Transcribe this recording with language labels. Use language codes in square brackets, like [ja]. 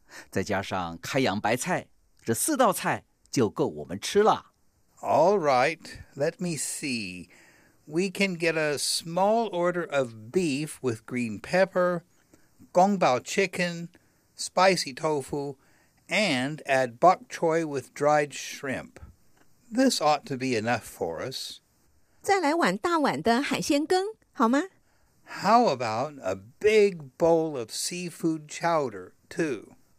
[zh] 再加上开洋白菜，这四道菜就够我们吃了。 [en] All right, let me see. We can get a small order of beef with green pepper, gongbao chicken, spicy tofu, and add bok choy with dried shrimp. This ought to be enough for us. [zh] 再来碗大碗的海鲜羹，好吗？ [en] How about a big bowl of seafood chowder, too?